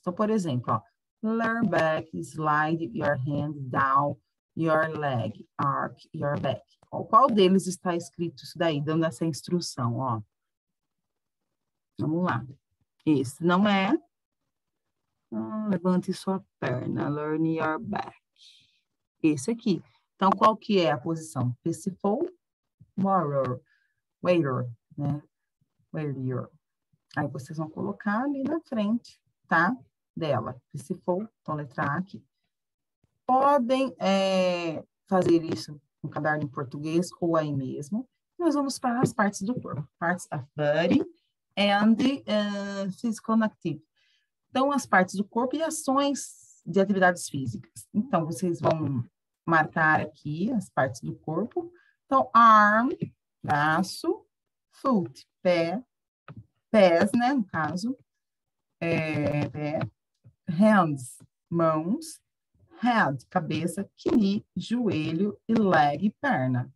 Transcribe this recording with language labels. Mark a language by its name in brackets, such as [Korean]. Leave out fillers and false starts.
[Portuguese] Então, por exemplo, ó, [English] lean back, slide your hand down your leg, arch your back. [Portuguese] Ó, qual deles está escrito isso daí, dando essa instrução, ó? Vamos lá. Isso não é. Levante sua perna. [English] Lean your back. [Portuguese] Esse aqui. Então, qual que é a posição? [English] Peaceful, warrior, waiter, né? Waiter. [Portuguese] Aí vocês vão colocar ali na frente, tá? Dela. Peaceful, então letra A aqui. Podem fazer isso no caderno em português ou aí mesmo. Nós vamos para as partes do corpo. [English] Parts of body and physical activity. [Portuguese] Então, as partes do corpo e ações de atividades físicas. Então, vocês vão marcar aqui as partes do corpo. Então, arm, braço, foot, pé, pés, né, no caso, hands, mãos, head, cabeça, knee, joelho e leg, perna.